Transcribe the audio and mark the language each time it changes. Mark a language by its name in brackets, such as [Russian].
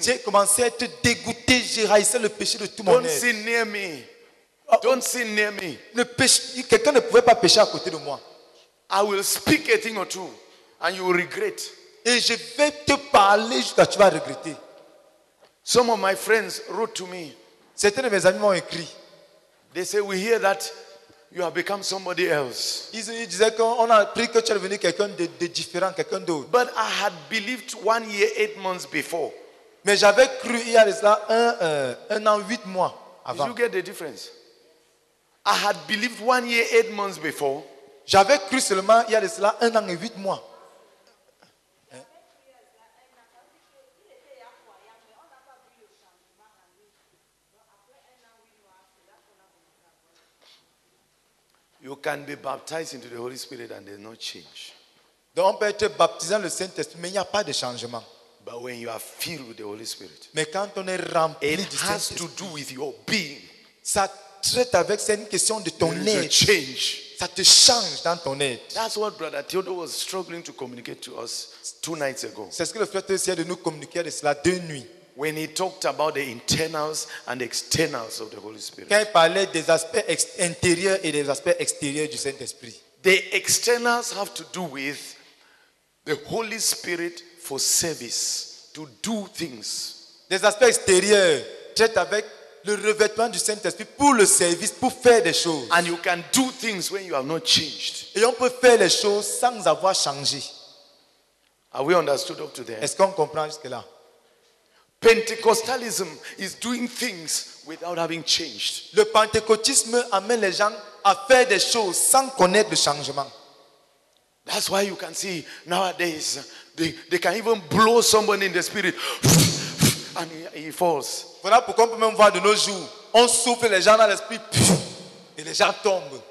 [French] J'ai commencé à être dégoûté, j'ai haïssé le péché de tout mon être. [English] Don't sin near me. Oh, don't sin near me. [French] Quelqu'un ne pouvait pas pécher à côté de moi. [English] I will speak a thing or two and you will regret. [French] Et je vais te parler jusqu'à tu vas regretter. [English] Some of my friends wrote to me. [French] Certains de mes amis m'ont écrit. [English] They say we hear that you have become somebody else. [French] Ils disaient qu'on a appris que tu es devenu quelqu'un de différent, quelqu'un d'autre. [English] But I had believed 1 year, 8 months before. [French] Mais j'avais cru il y a cela un an, 8 mois avant. [English] Did you get the difference? I had believed 1 year, 8 months before. [French] J'avais cru seulement il y a de cela 1 an et 8 mois. [English] You can be baptized into the Holy Spirit and there's no change. [French] Donc on peut être baptisé dans le Saint-Esprit, mais il n'y a pas de changement. [English] But when you are filled with the Holy Spirit, [French] mais quand on est rempli [English] it [French] du [English] has to do with your being. [French] Ça traite avec cette question de ton être. [English] Change. [French] Ça te change dans ton être. [English] That's what Brother Theodore was struggling to communicate to us 2 nights ago. [French] C'est ce que le frère Théodore essayait de nous communiquer de cela 2 nuits. [English] When he talked about the internals and externals of the Holy Spirit. [French] Quand il parlait des aspects intérieurs et des aspects extérieurs du Saint-Esprit. [English] The externals have to do with the Holy Spirit for service, to do things. [French] Les aspects extérieurs traitent avec le revêtement du Saint-Esprit pour le service, pour faire des choses. [English] And you can do things when you have not changed. [French] Et on peut faire les choses sans avoir changé. [English] Are we understood up to there? [French] Est-ce qu'on comprend jusque-là? [English] Pentecostalism is doing things without having changed. [French] Le pentecôtisme amène les gens à faire des choses sans connaître le changement. [English] That's why you can see nowadays they can even blow someone in the spirit and he falls. [French] Voilà pourquoi on peut même voir de nos jours, on souffle les gens dans l'esprit et les gens tombent.